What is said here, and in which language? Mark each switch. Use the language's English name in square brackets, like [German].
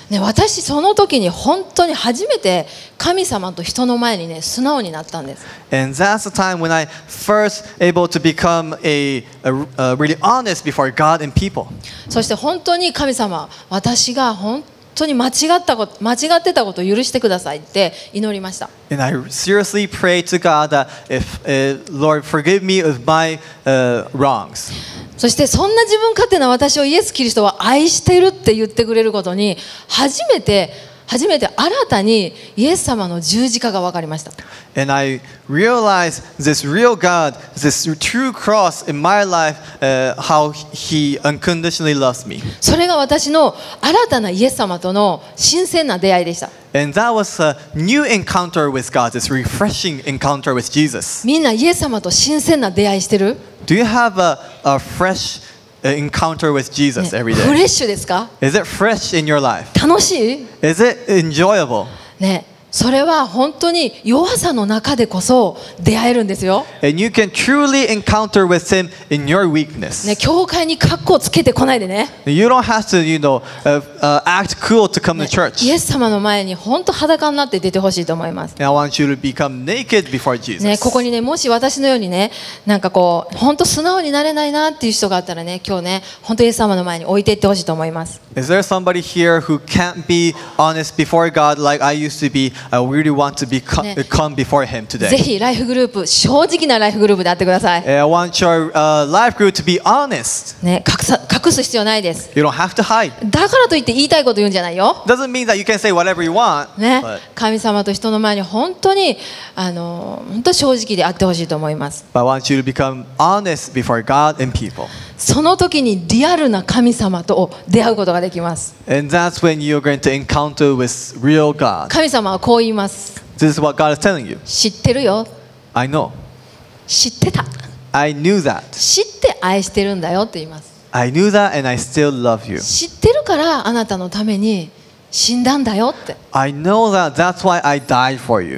[Japanese] ね、私その時に本当に初めて神様と人の前にね、素直になったんです。 [English] And that's the time when I first able to become a really honest before God and people. [Japanese] そして本当に神様、私が本当に間違ったこと、間違ってたことを許してくださいって祈りました。 [English] And I seriously pray to God that Lord forgive me of my wrongs. [Japanese] そしてそんな自分勝手な私をイエス・キリストは愛してるって言ってくれることに初めて新たにイエス様の十字架が分かりました。 [English] And I realized this real God, this true cross in my life, how He unconditionally loves me. [Japanese] それが私の新たなイエス様との新鮮な出会いでした。 [English] And that was a new encounter with God, this refreshing encounter with Jesus. [Japanese] みんなイエス様と新鮮な出会いしてる？ [English] Do you have a fresh encounter with Jesus every day? [Japanese] フレッシュですか？ [English] Is it fresh in your life? [Japanese] 楽しい？ [English] Is it enjoyable? ね。 [Japanese] それは本当に弱さの中でこそ出会えるんですよ。 [English] And you can truly encounter with him in your weakness. [Japanese] ね、教会に格好つけてこないでね。 [English] You don't have to, you know, act cool to come to church. [Japanese] イエス様の前に本当裸になって出てほしいと思います。 [English] I want you to become naked before Jesus. [Japanese] ね、ここにね、もし私のようにね、なんかこう本当素直になれないなっていう人があったらね、今日ね、本当イエス様の前に置いていってほしいと思います。 [English] Is there somebody here who can't be honest before God like I used to be? I really want to be come before Him today. [Japanese] ぜひライフグループ、正直なライフグループであってください。 [English] I want your life group to be honest. [Japanese] ね、隠す必要ないです。 [English] You don't have to hide. [Japanese] だからといって言いたいこと言うんじゃないよ。 [English] Doesn't mean that you can say whatever you want. [Japanese] ね、神様と人の前に本当に本当正直であってほしいと思います。 [English] But I want you to become honest before God and people. [Japanese] その時にリアルな神様と出会うことができます。 [English] And that's when you're going to encounter with real God. [Japanese] 神様はこう言います。 [English] This is what God is telling you. [Japanese] 知ってるよ。 [English] I know. [Japanese] 知ってた。 [English] I knew that. [Japanese] 知って愛してるんだよって言います。 [English] I knew that and I still love you. [Japanese] 知ってるからあなたのために死んだんだよって。 [English] I know that that's why I died for you.